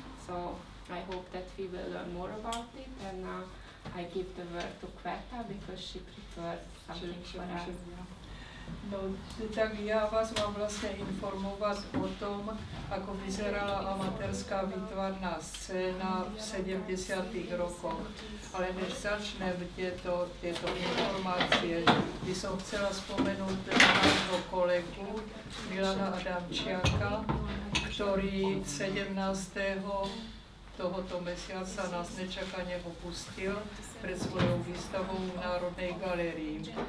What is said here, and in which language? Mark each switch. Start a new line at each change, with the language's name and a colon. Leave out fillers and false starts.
English: So I hope that we will learn more about it, and now I give the word to Květa because she prefers something for us.
Czech: No, tak já vás mám vlastně informovat o tom,
Slovak: ako vyzerala
Czech: amatérská výtvarná scéna v 70.
Slovak: rokoch.
Czech: Ale než začneme tyto informace,
Slovak: by som chcela
Czech: spomenout mého kolegu Milana Adamčiaka, ktorý 17.
Slovak: tohoto mesiaca nás nečakane opustil pred svojou výstavou v Národnej galerii.